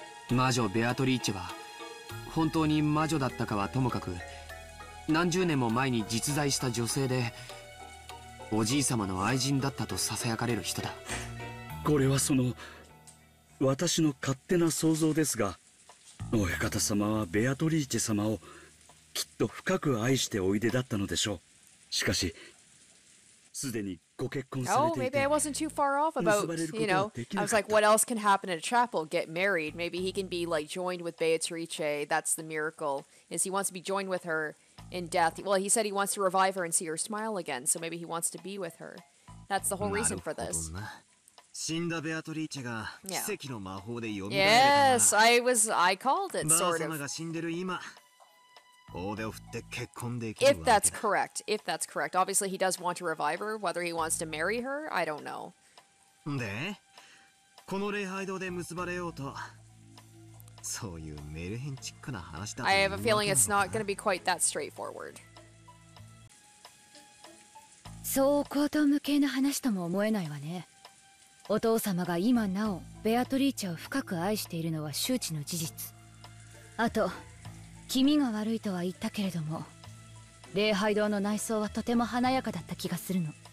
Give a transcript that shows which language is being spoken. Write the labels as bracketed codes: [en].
[ja] 魔女ベアトリーチェは、本当に魔女だったかはともかく、何十年も前に実在した女性で、おじい様の愛人だったと囁かれる人だ。これはその、私の勝手な想像ですが、親方様はベアトリーチェ様をきっと深く愛しておいでだったのでしょう。しかし、すでにご結婚されていて、 [en] oh, maybe I wasn't too far off about, you know, I was like, what else can happen at a chapel? Get married. Maybe he can be like joined with Beatrice. That's the miracle. Is he wants to be joined with her in death? Well, he said he wants to revive her and see her smile again. So maybe he wants to be with her. That's the whole reason for this. [ja] 死んだベアトリーチェが奇跡の魔法で蘇られるから。 [en] Yes, I called it sort of. [ja] 婆様が死んでる今、大手を振って結婚できるわけだ。 [en] If that's correct. Obviously, he does want to revive her. Whether he wants to marry her, I don't know. [ja] で、この礼拝堂で結ばれようと、そういうメルヘンチックな話だ。 [en] I have a feeling it's not going to be quite that straightforward. [ja] そう高等無形な話とも思えないわね。お父様が今なおベアトリーチェを深く愛しているのは周知の事実。あと、気味が悪いとは言ったけれども、礼拝堂の内装はとても華やかだった気がするの。